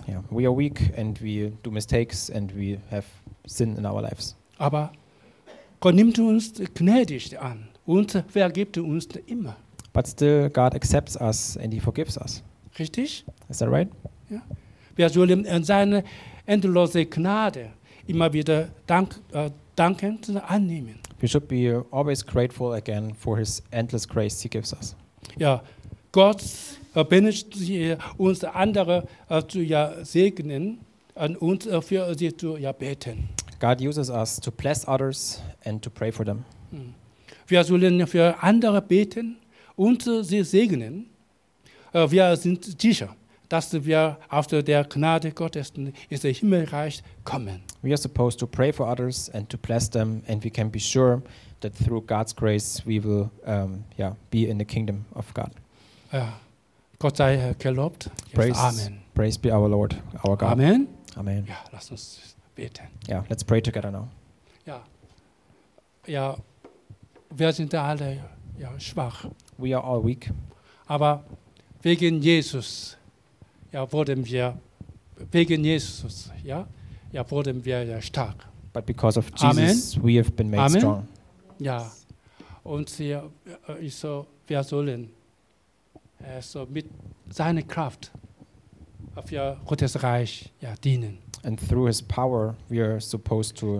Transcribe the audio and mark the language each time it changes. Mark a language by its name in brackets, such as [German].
[English] Yeah, we are weak and we do mistakes and we have sin in our lives. [German] Aber Gott nimmt uns gnädig an und vergibt uns immer. [English] But still, God accepts us and he forgives us. [German] Richtig? [English] Is that right? [German] Ja. Wir sollen seine endlose Gnade immer wieder dankend annehmen. [English] We should be always grateful again for his endless grace he gives us. [German] Ja, Gott benötigt uns andere zu ja segnen und uns für sie zu ja beten. [English] God uses us to bless others and to pray for them. [German] Wir sollen für andere beten und sie segnen. Wir sind sicher, dass wir auf der Gnade Gottes in das Himmelreich kommen. [English] We are supposed to pray for others and to bless them, and we can be sure that through God's grace we will be in the kingdom of God. [German] Gott sei gelobt. [English] Praise, Amen. Praise be our Lord, our God. Amen. Amen. [German] Ja, lass uns beten. [English] Yeah, let's pray together now. [German] Ja. Ja, wir sind alle ja schwach. [English] We are all weak. [German] Aber wegen Jesus, ja, wurden wir wegen Jesus, ja, ja, wurden wir ja stark. [English] But because of Jesus, Amen. We have been made Amen. Strong. [German] Ja, und sie, so, wir sollen so mit seiner Kraft auf ihr Gottes Reich ja dienen. [English] And through his power, we are supposed to